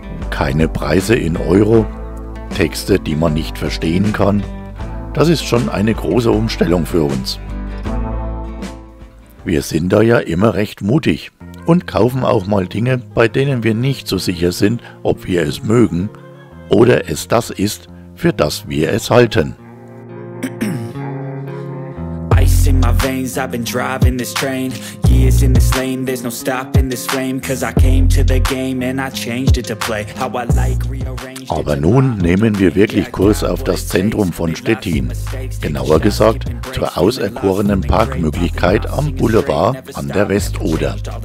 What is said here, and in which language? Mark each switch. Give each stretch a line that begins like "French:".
German: Keine Preise in Euro, Texte, die man nicht verstehen kann, das ist schon eine große Umstellung für uns. Wir sind da ja immer recht mutig und kaufen auch mal Dinge, bei denen wir nicht so sicher sind, ob wir es mögen oder es das ist, für das wir es halten.
English: In my veins, I've been driving this train. Years in this lane, there's no stopping this flame. Cause I came to the game and I changed it to play. How I like rearranged.
German: Aber nun nehmen wir wirklich Kurs auf das Zentrum von Stettin. Genauer gesagt, zur auserkorenen Parkmöglichkeit am Boulevard an der Westoder.